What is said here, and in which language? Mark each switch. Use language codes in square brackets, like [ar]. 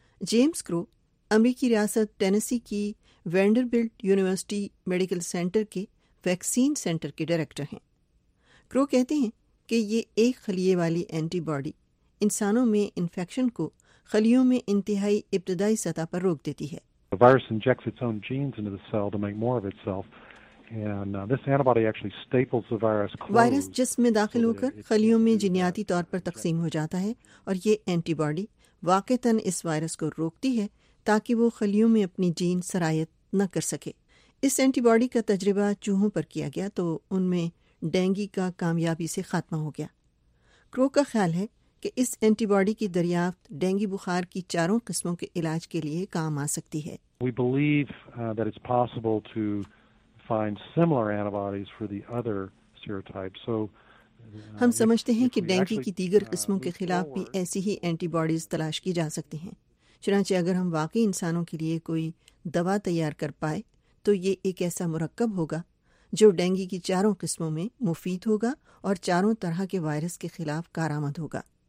[ur] James کرو امریکی ریاست ٹینیسی کی وینڈربلٹ یونیورسٹی میڈیکل سینٹر کے ویکسین سینٹر کے ڈائریکٹر ہیں۔ کرو کہتے ہیں کہ یہ ایک خلیے والی اینٹی باڈی انسانوں میں انفیکشن کو خلیوں میں انتہائی ابتدائی سطح پر روک دیتی ہے۔ [en] The virus injects its own genes into the cell to make more of itself. [ur] Virus جسم میں داخل ہو کر خلیوں میں جینیاتی طور پر تقسیم ہو جاتا ہے، اور یہ اینٹی باڈی واقعتاً اس وائرس کو روکتی ہے تاکہ وہ خلیوں میں اپنی جین سرایت نہ کر سکے۔ اس اینٹی باڈی کا تجربہ چوہوں پر کیا گیا تو ان میں ڈینگی کا کامیابی سے خاتمہ ہو گیا۔ کرو کا خیال ہے کہ اس اینٹی باڈی کی دریافت ڈینگی بخار کی 4 قسموں کے علاج کے لیے کام آ سکتی ہے۔ [en] We believe that it's possible to find similar antibodies for the other serotypes. So [ur] ہم سمجھتے ہیں کہ ڈینگی کی دیگر قسموں کے خلاف بھی ایسی ہی اینٹی باڈیز تلاش کی جا سکتی ہیں، چنانچہ اگر ہم واقعی انسانوں کے لیے کوئی دوا تیار کر پائے تو یہ ایک ایسا مرکب ہوگا جو ڈینگی کی 4 قسموں میں مفید ہوگا اور 4 طرح کے وائرس کے خلاف کارآمد ہوگا۔